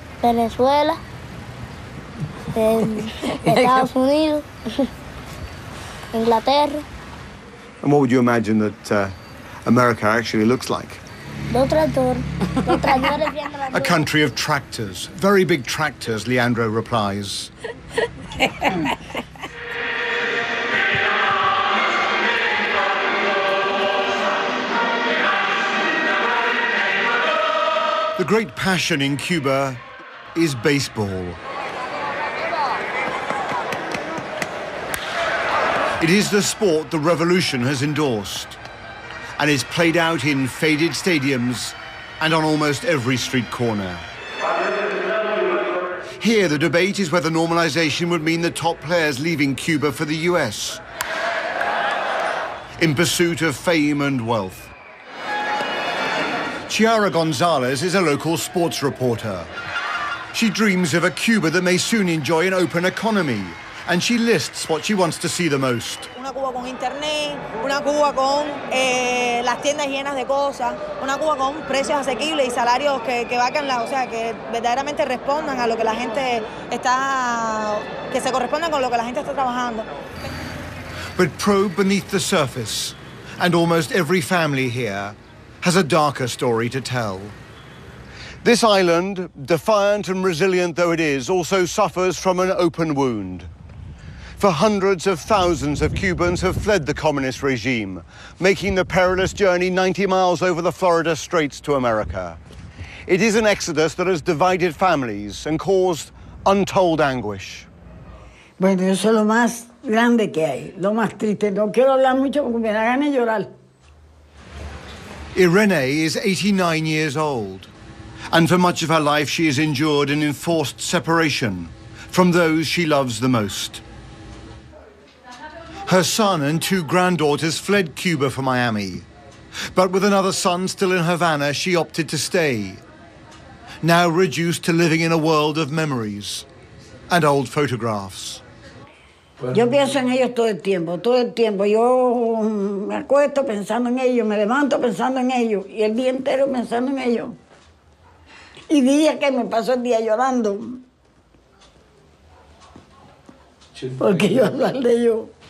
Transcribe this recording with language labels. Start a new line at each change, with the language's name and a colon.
Spanish: Venezuela, Estados Unidos, Inglaterra.
English: And what would you imagine that America actually looks like? A country of tractors, very big tractors, Leandro replies. The great passion in Cuba is baseball. It is the sport the revolution has endorsed and is played out in faded stadiums and on almost every street corner. Here, the debate is whether normalization would mean the top players leaving Cuba for the US in pursuit of fame and wealth. Chiara Gonzalez is a local sports reporter. She dreams of a Cuba that may soon enjoy an open economy, and she lists what she wants to see the most.
Spanish: Una Cuba con internet, una Cuba con las tiendas llenas de cosas, una Cuba con precios asequibles y salarios que valgan la, o sea, que verdaderamente respondan a lo que la gente está, que se correspondan con lo que la gente está trabajando.
English: But probe beneath the surface, and almost every family here has a darker story to tell. This island, defiant and resilient though it is, also suffers from an open wound. For hundreds of thousands of Cubans have fled the communist regime, making the perilous journey 90 miles over the Florida Straits to America. It is an exodus that has divided families and caused untold anguish.
Spanish: Bueno, eso es lo más grande que hay, lo más triste. No quiero hablar mucho porque me da ganas de llorar.
English: Irene is 89 years old, and for much of her life she has endured an enforced separation from those she loves the most. Her son and two granddaughters fled Cuba for Miami, but with another son still in Havana, she opted to stay, now reduced to living in a world of memories and old photographs.
Spanish: Yo pienso en ellos todo el tiempo, todo el tiempo. Yo me acuesto pensando en ellos, me levanto pensando en ellos, y el día entero pensando en ellos. Y días que me paso el día llorando. Porque yo hablo de ellos.